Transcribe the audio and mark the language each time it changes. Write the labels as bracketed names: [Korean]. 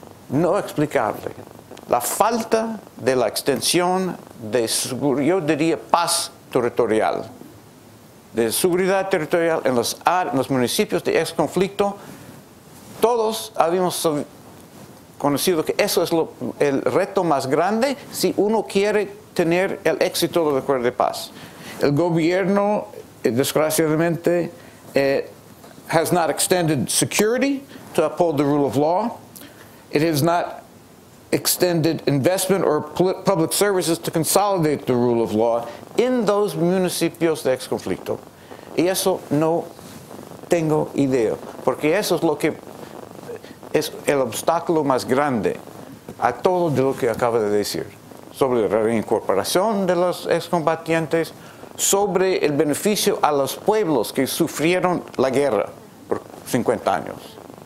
[Spanish] No explicable. La falta de la extensión de, yo diría, paz territorial, de seguridad territorial en los municipios de ex conflicto, todos habíamos conocido que eso es el reto más grande si uno quiere tener el éxito del acuerdo de paz. El gobierno, desgraciadamente, [English] has not extended security to uphold the rule of law. It has not extended investment or public services to consolidate the rule of law in those [Spanish] municipios de ex conflicto. Y eso no tengo idea, porque eso es lo que es el obstáculo más grande a todo de lo que acaba de decir sobre la reincorporación de los excombatientes, sobre el beneficio a los pueblos que sufrieron la guerra por 50 años.